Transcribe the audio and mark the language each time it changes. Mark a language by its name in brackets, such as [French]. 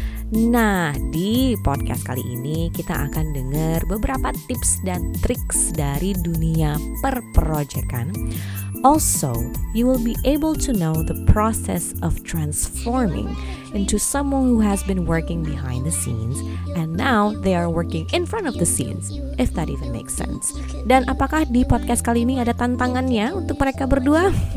[Indonesian] Nah, di podcast kali ini kita akan dengar beberapa tips dan triks dari dunia perprojekan. [English] Also, you will be able to know the process of transforming into someone who has been working behind the scenes and now they are working in front of the scenes, if that even makes sense. [Indonesian] Dan apakah di podcast kali ini ada tantangannya untuk mereka berdua?